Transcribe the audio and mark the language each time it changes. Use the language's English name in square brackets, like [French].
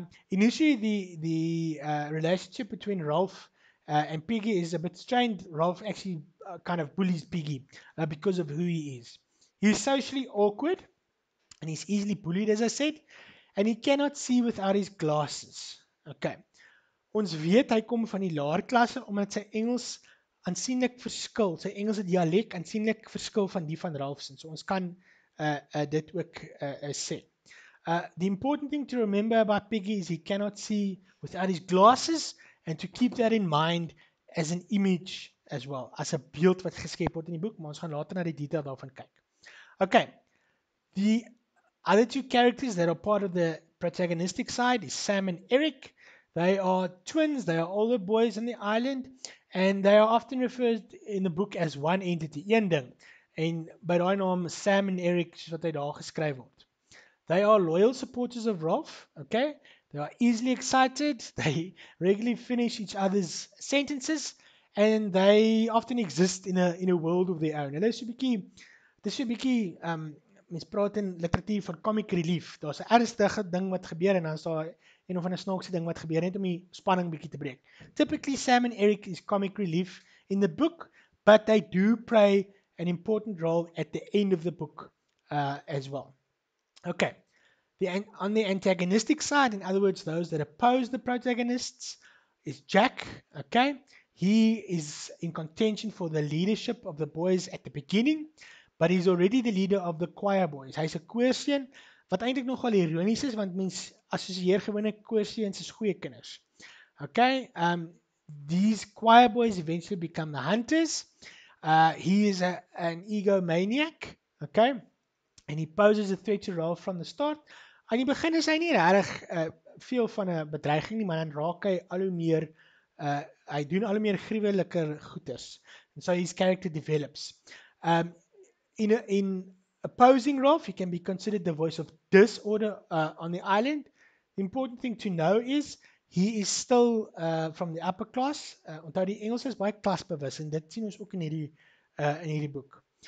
[English] Initially, the relationship between Ralph and Piggy is a bit strained. Ralph actually kind of bullies Piggy because of who he is. He's socially awkward and he's easily bullied, as I said. And he cannot see without his glasses. Okay. [Afrikaans] Ons weet hy kom van die laer klasse omdat sy Engels aansienlik verskil, sy Engelse dialek aansienlik verskil van die van Ralphson. So ons kan dit ook sê. [English] The important thing to remember about Peggy is he cannot see without his glasses, and to keep that in mind as an image as well, as a [Afrikaans] beeld wat geskep word in die boek, maar ons gaan later na die detail daarvan kyk. [English] Okay, the other two characters that are part of the protagonistic side is Sam and Eric. They are twins, they are older boys on the island, and they are often referred in the book as one entity, [Afrikaans] een ding. En by die naam Sam and Eric, soos wat hy daar geskryf word. [English] They are loyal supporters of Ralph, okay? They are easily excited, they regularly finish each other's sentences, and they often exist in a world of their own. [Afrikaans] En dis so 'n bietjie mens praat in literatuur van [English] comic relief. [Afrikaans] Daar's 'n ernstige ding wat gebeur en dan is daar een of 'n snaakse ding wat gebeur net om die spanning bietjie te breek. [English] Typically Sam and Eric is comic relief in the book, but they do play an important role at the end of the book as well. Okay, on the antagonistic side, in other words, those that oppose the protagonists, is Jack, okay? He is in contention for the leadership of the boys at the beginning, but he's already the leader of the choir boys. [Afrikaans] Hy's 'n koorseun, wat eintlik nogal ironies is, want mens assosieer gewone koorseuns as goeie kinders. [English] Okay, these choir boys eventually become the hunters. He is an egomaniac, okay? And he poses a threat to Ralph from the start. [Afrikaans] Aan die begin is hy nie regtig veel van 'n bedreiging nie, maar dan raak hy al hoe meer, hy doen al hoe meer gruweliker goeders. [English] And so his character develops. In opposing Ralph, he can be considered the voice of disorder on the island. The important thing to know is, he is still from the upper class. [Afrikaans] Onthou die Engels is baie klasbewus, en dit sien ons ook in hierdie boek.